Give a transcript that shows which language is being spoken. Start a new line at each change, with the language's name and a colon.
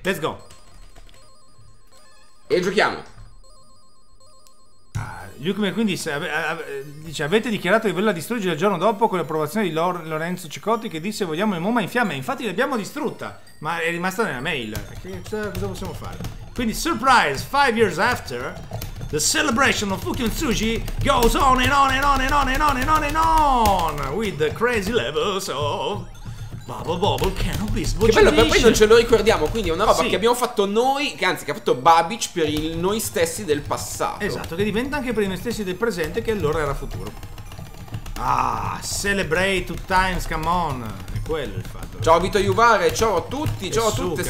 English: Let's go.
Italian: E giochiamo. Luke McQueen dice: avete dichiarato di volerla distruggere il giorno dopo con l'approvazione di Lorenzo Cicotti, che disse vogliamo il MoMA in fiamme. Infatti l'abbiamo distrutta, ma è rimasta nella mail. Cosa possiamo fare?
English: Quindi, surprise, 5 years after, the celebration of Fukio Tsuji goes on and on and on and on and on and on and on with the crazy levels of Bubble Bubble Kenobi's Watch.
Italian: Che bello, per poi non ce lo ricordiamo, quindi è una roba, sì, che abbiamo fatto noi, che anzi che ha fatto Babic per il noi stessi del passato. Esatto, che diventa anche per noi stessi del presente, che allora era futuro.
English: Ah, celebrate two times, come on.
Italian: È quello il fatto. Ciao Vito Iuvare, ciao a tutti, ciao a tutte.